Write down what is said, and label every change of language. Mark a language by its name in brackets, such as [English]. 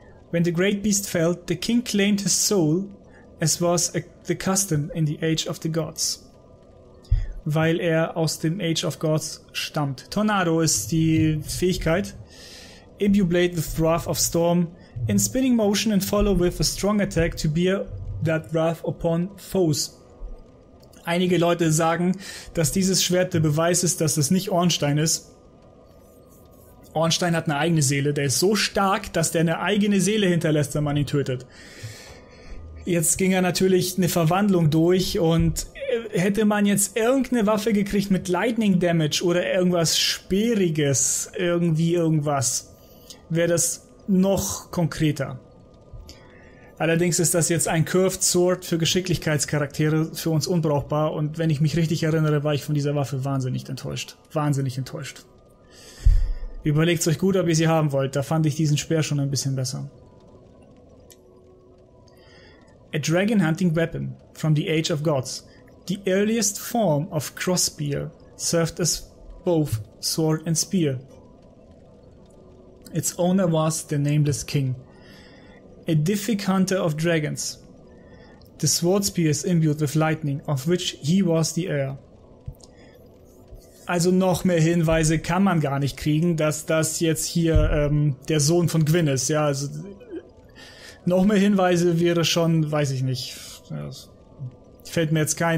[English] When the great beast fell, the king claimed his soul, as was the custom in the Age of the Gods. [German] Weil er aus dem Age of Gods stammt. Tornado ist die Fähigkeit. [English] Imbue blade with wrath of storm. In spinning motion and follow with a strong attack to bear that wrath upon foes. [German] Einige Leute sagen, dass dieses Schwert der Beweis ist, dass es nicht Ornstein ist. Ornstein hat eine eigene Seele. Der ist so stark, dass der eine eigene Seele hinterlässt, wenn man ihn tötet. Jetzt ging er natürlich eine Verwandlung durch und hätte man jetzt irgendeine Waffe gekriegt mit Lightning Damage oder irgendwas Speeriges, irgendwie irgendwas, wäre das noch konkreter. Allerdings ist das jetzt ein Curved Sword für Geschicklichkeitscharaktere, für uns unbrauchbar, und wenn ich mich richtig erinnere, war ich von dieser Waffe wahnsinnig enttäuscht. Wahnsinnig enttäuscht. Überlegt euch gut, ob ihr sie haben wollt. Da fand ich diesen Speer schon ein bisschen besser. [English] A dragon hunting weapon from the Age of Gods. The earliest form of cross spear served as both sword and spear. Its owner was the Nameless King. A Diffic hunter of dragons. The sword spear is imbued with lightning, of which he was the heir. [German] Also noch mehr Hinweise kann man gar nicht kriegen, dass das jetzt hier der Sohn von Gwyn ist. Ja, also noch mehr Hinweise wäre schon, weiß ich nicht. Fällt mir jetzt